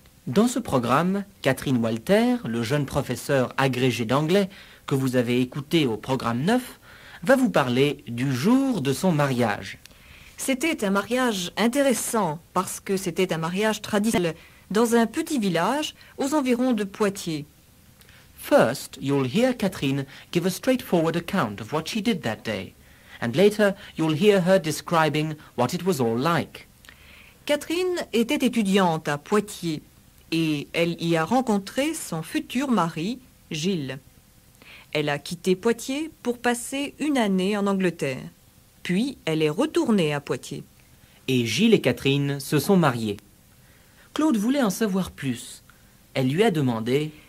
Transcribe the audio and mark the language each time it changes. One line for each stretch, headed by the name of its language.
French: Dans ce programme, Catherine Walter, le jeune professeur agrégé d'anglais que vous avez écouté au programme 9, va vous parler du jour de son mariage. C'était un mariage intéressant parce que c'était un mariage traditionnel dans un petit village aux environs de Poitiers.
English: First, you'll hear Catherine give a straightforward account of what she did that day. And later, you'll hear her describing what it was all like.
French: Catherine était étudiante à Poitiers et elle y a rencontré son futur mari, Gilles. Elle a quitté Poitiers pour passer une année en Angleterre. Puis, elle est retournée à Poitiers. Et Gilles et Catherine se sont mariés. Claude voulait en savoir plus. Elle lui a demandé...